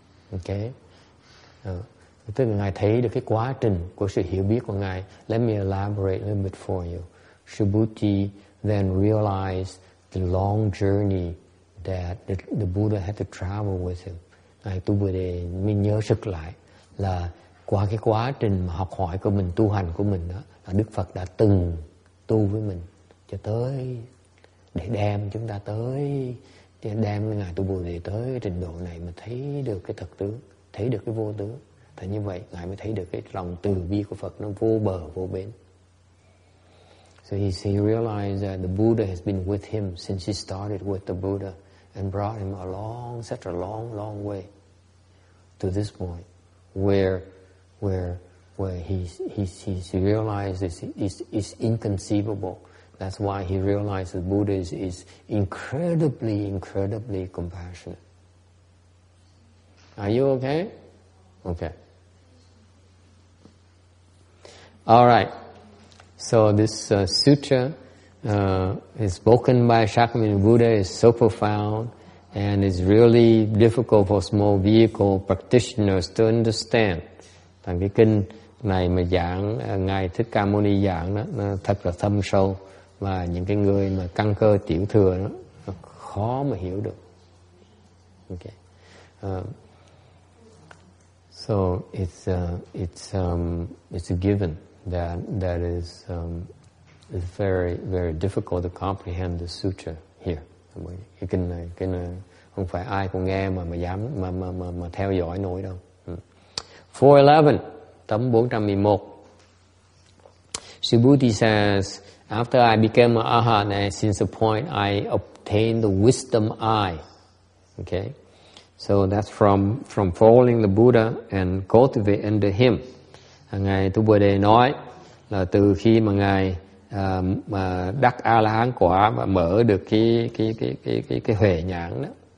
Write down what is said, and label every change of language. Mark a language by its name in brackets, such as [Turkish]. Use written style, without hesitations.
[Vietnamese] Ok. Tức là ngài thấy được cái quá trình của sự hiểu biết của ngài. [English] Let me elaborate a little bit for you. Shubhuti then realized the long journey that the Buddha had to travel with him. [Vietnamese] Ngài Tu Bồ Đề mình nhớ sực lại là qua cái quá trình mà học hỏi của mình, tu hành của mình đó, là Đức Phật đã từng tu với mình cho tới để đem chúng ta tới, đem ngài Tu Bồ Đề tới trình độ này mà thấy được cái thật tướng, thấy được cái vô tướng. Thế như vậy ngài mới thấy được cái lòng từ bi của Phật nó vô bờ vô bến. [English] So he realized that the Buddha has been with him since he started with the Buddha and brought him along such a long, long way to this point where he's realized this is inconceivable. That's why he realized the Buddha is incredibly, incredibly compassionate. Are you okay? Okay. All right. So this sutra is spoken by Shakyamuni Buddha, is so profound and is really difficult for small vehicle practitioners to understand. [Vietnamese] Thành cái kinh này mà giảng, ngài Thích Ca Mâu Ni giảng đó, nó thật là thâm sâu và những cái người mà căn cơ tiểu thừa đó, nó khó mà hiểu được. [English] Okay. So it's a given that is very, very difficult to comprehend the sutra here. [Vietnamese] Cái kinh này, không phải ai cũng nghe mà dám theo dõi nổi đâu. 411, tấm 411. [English] Shubhuti says, after I became an arhat, since the point I obtained the wisdom eye. Okay? So that's from following the Buddha and cultivate under him. [Vietnamese] Ngài Tu Bồ Đề nói là từ khi mà ngài mà đắc A La Hán quả và mở được cái huệ nhãn đó.